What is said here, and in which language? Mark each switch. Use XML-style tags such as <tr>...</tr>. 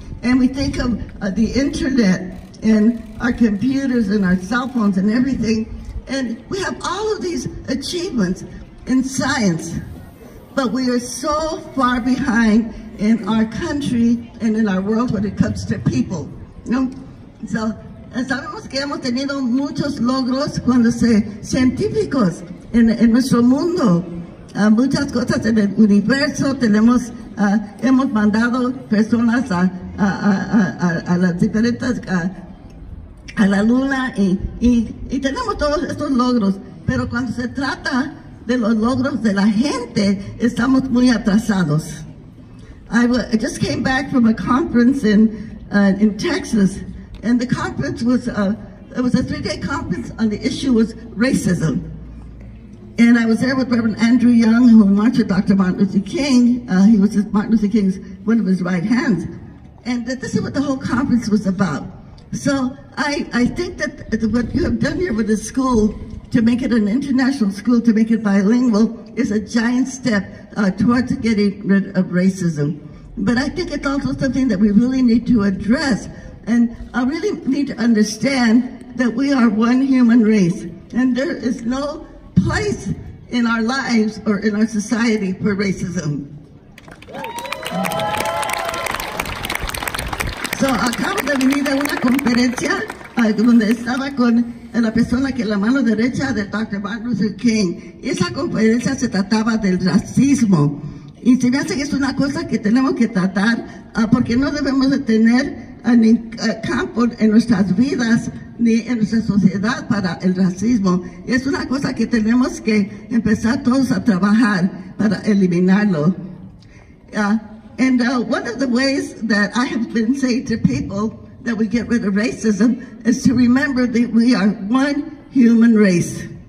<en>And we think of the internet and our computers and our cell phones and everything. And we have all of these achievements in science. But we are so far behind in our country and in our world when it comes to people,</en> <es>¿no? So, sabemos que hemos tenido muchos logros cuando se científicos en nuestro mundo. Muchas cosas en el universo, tenemos, hemos mandado personas a las diferentes, a la luna, y tenemos todos estos logros, pero cuando se trata de los logros de la gente, estamos muy atrasados.</es> <en>I just came back from a conference in Texas, and the conference was, it was a three-day conference on the issue was racism. And I was there with Reverend Andrew Young, who mentored Dr. Martin Luther King. He was Martin Luther King's, one of his right hands. And this is what the whole conference was about. So I think that what you have done here with the school to make it an international school, to make it bilingual, is a giant step towards getting rid of racism. But I think it's also something that we really need to address. And I really need to understand that we are one human race. And there is no place in our lives or in our society for racism.</en> <es>So acabo de venir a una conferencia donde estaba con la persona que la mano derecha de Dr. Martin Luther King. Esa conferencia se trataba del racismo. Y se me hace que es una cosa que tenemos que tratar porque no debemos de tener ni campo en nuestras vidas ni en nuestra sociedad para el racismo. Y es una cosa que tenemos que empezar todos a trabajar para eliminarlo.</es> <en>One of the ways that I have been saying to people that we get rid of racism is to remember that we are one human race.</en>